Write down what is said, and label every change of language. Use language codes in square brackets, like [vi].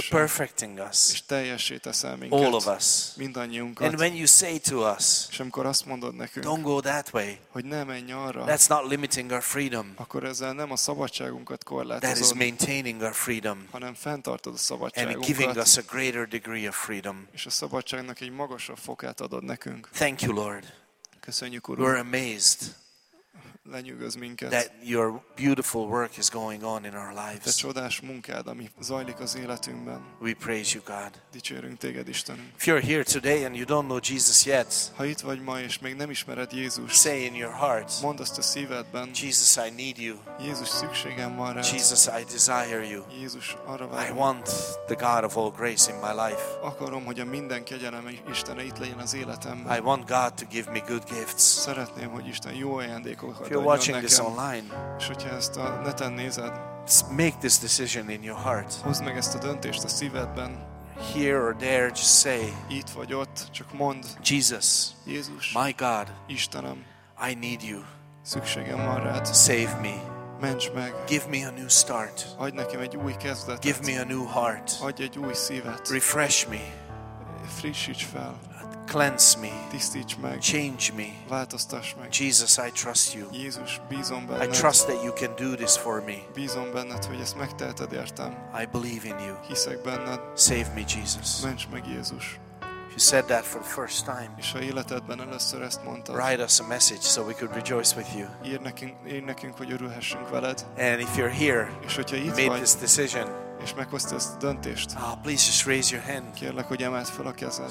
[en] You're perfecting us. [hu] És teljessé teszel minket. [en] All of us. [hu] Mindannyiunkat. [en] And when you say to us, [hu] és amikor azt mondod nekünk, [en] don't go that way, [hu] hogy ne menj arra, [en] that's not limiting our freedom. [hu] Akkor ezzel nem a szabadságunkat korlátozod. [en] That is maintaining our freedom. [hu] Hanem fenntartod a szabadságunkat. [en] And giving us a greater degree of freedom. [hu] És a szabadságnak egy magasabb fokát adod nekünk. [en] Thank you, Lord. [hu] Köszönjük, Urunk. [en] We're amazed. [hu] lenyűgöz minket. [en] That your beautiful work is going on in our lives. [hu] Te csodás munkád, ami zajlik az életünkben. [en] We praise you, God. [hu] Dicsérünk téged, Istenünk. [en] If you're here today and you don't know Jesus yet, [hu] ha itt vagy ma és még nem ismered Jézust, [en] say in your heart, [hu] mondd azt a szívedben, [en] Jesus, I need you. [hu] Jézus, szükségem van rád. [en] Jesus, I desire you. [hu] Jézus, arra várom. [en] I want the God of all grace in my life. [hu] Akarom, hogy a minden kegyelem Istene itt legyen az életemben. [en] I want God to give me good gifts. [hu] Szeretném, hogy Isten jó ajándékokat adjon. [en] If you're watching this online, [hu] és hogyha ezt a neten nézed, [en] make this decision in your heart. [hu] Hozd meg ezt a döntést a szívedben. [en] Here or there, just say, [hu] itt vagy ott, csak mondd, [en] Jesus, [hu] Jézus, [en] my God, [hu] Istenem, [en] I need you. [hu] Szükségem van rád. [en] Save me. [hu] Ments meg. [en] Give me a new start. [hu] Adj nekem egy új kezdetet. [en] Give me a new heart. [hu] Adj egy új szívet. [en] Refresh me. [hu] Frissíts fel. [en] Cleanse me. [hu] Tisztíts meg. [en] Change me. [hu] Változtass meg. [en] Jesus, I trust you. [hu] Jézus, bízom benned. [en] I trust that you can do this for me. [hu] Bízom benned, hogy ezt megteheted értem. [en] I believe in you. [hu] Hiszek benned. [en] Save me, Jesus. [hu] Ments meg, Jézus. [en] If you said that for the first time, [hu] és ha életedben először ezt mondtad, [en] write us a message so we could rejoice with you. [hu] Ír nekünk, hogy örülhessünk veled. [en] And if you're here, [hu] és hogyha itt [en] made [hu] vagy, [en] this decision, [hu] és meghoztad ezt a döntést, [en] please just raise your hand. [hu] Kérlek, hogy emeld fel a kezed,